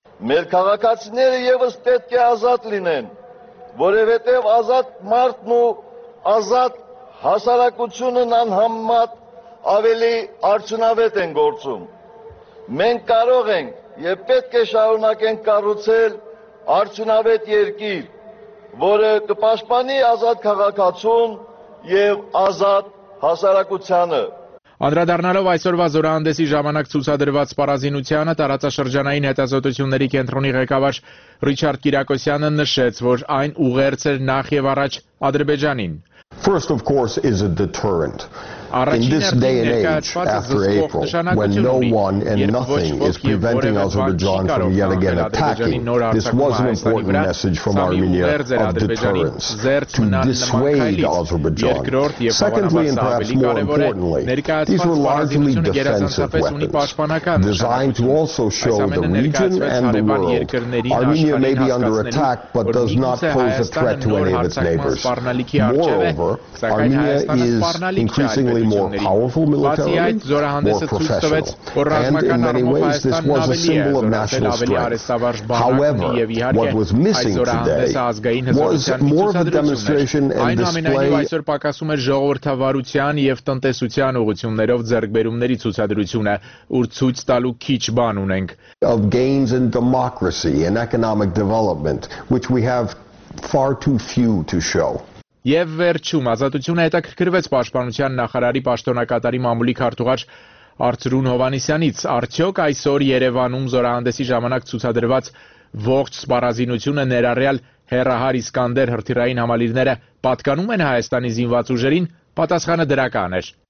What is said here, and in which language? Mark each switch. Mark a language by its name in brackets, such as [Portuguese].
[Armenian] Մեր քաղաքացիները ևս պետք է ազատ լինեն, որովհետև ազատ մարդն ու ազատ հասարակությունն անհամեմատ ավելի արդյունավետ են գործում։ Մենք կարող ենք և պետք է շարունակենք կառուցել արդյունավետ երկիր, որը կպաշտպանի ազատ քաղաքացուն և ազատ հասարակությանը։ Անդրադառնալով այսօրվա զորահանդեսի ժամանակ ցուցադրված սպառազինությանը, տարածաշրջանային հետազոտությունների կենտրոնի ղեկավար Ռիչարդ Կիրակոսյանը նշեց, որ այն ուղերձ էր նախ և առաջ Ադրբեջանին։ [English] First, of course, is a deterrent. In this day and age, after April, when no one and nothing is preventing Azerbaijan from yet again attacking, this was an important message from Armenia of deterrence, to dissuade Azerbaijan. Secondly, and perhaps more importantly, these were largely defensive weapons, designed to also show the region and the world. Armenia may be under attack, but does not pose a threat to any of its neighbors. Moreover, Armenia is increasingly more powerful militarily, more professional, and in many ways this was a symbol of national strength. However, what was missing today was more of a demonstration and display of [Armenian] ժողովրդավարության և տնտեսության ուղղություններով ձեռքբերումների ցուցադրությունը, ուր ցույց տալու քիչ բան ունենք. [English] Of gains in democracy and economic development, which we have far too few to show. [Armenian] Եվ վերջում ազատությունը հետաքրքրվեց պաշտպանության նախարարի պաշտոնակատարի մամուլի քարտուղար Արծրուն Հովանիսյանից, արդյոք այսօր Երևանում զորահանդեսի ժամանակ ցուցադրված ողջ սպառազինությունը ներառյալ հեռահար Իսկանդեր հրթիռային համալիրները պատկանում են Հայաստանի զինված ուժերին, պատասխանը դրական էր։